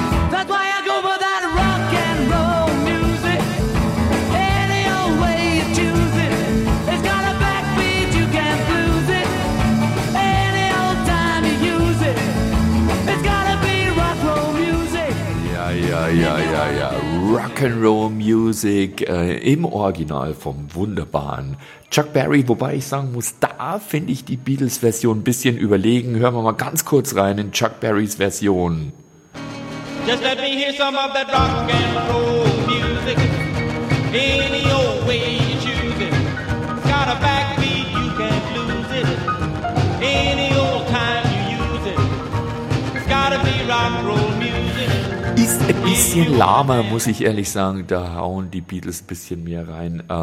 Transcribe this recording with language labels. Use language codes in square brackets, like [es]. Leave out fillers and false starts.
[en] That's why I go for that rock and roll music. Any old way you choose it, it's got a backbeat, you can't blues it. Any old time you use it, it's gotta be rock and roll music. Yeah, yeah, yeah, yeah, yeah. [de] Rock'n'Roll Music im Original vom wunderbaren Chuck Berry, wobei ich sagen muss, da finde ich die Beatles-Version ein bisschen überlegen. Hören wir mal ganz kurz rein in Chuck Berrys Version. [en] Just let me hear some of that rock'n'roll music. Any old way you choose it. Got a backbeat, you can't lose it. Any old time you use it. It's gotta be rock'n'roll music. [de] Ist ein bisschen lahmer, muss ich ehrlich sagen. Da hauen die Beatles ein bisschen mehr rein.